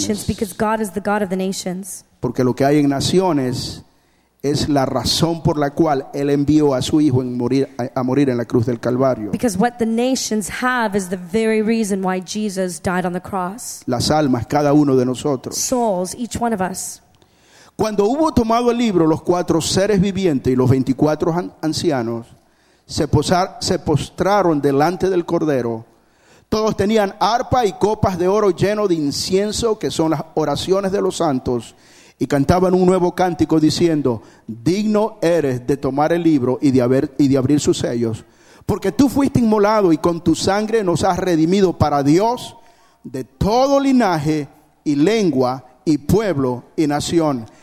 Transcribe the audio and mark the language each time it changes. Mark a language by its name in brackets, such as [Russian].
[English] Nations, because God is the God of the nations. [Spanish] Porque lo que hay en naciones es la razón por la cual Él envió a su Hijo a morir en la cruz del Calvario. [English] Because what the nations have is the very reason why Jesus died on the cross. [Spanish] Las almas, cada uno de nosotros. [English] Souls, each one of us. [Spanish] Cuando hubo tomado el libro, los cuatro seres vivientes y los 24 ancianos se postraron delante del Cordero. Todos tenían arpa y copas de oro lleno de incienso, que son las oraciones de los santos, y cantaban un nuevo cántico diciendo: digno eres de tomar el libro y de abrir sus sellos, porque tú fuiste inmolado y con tu sangre nos has redimido para Dios de todo linaje y lengua y pueblo y nación.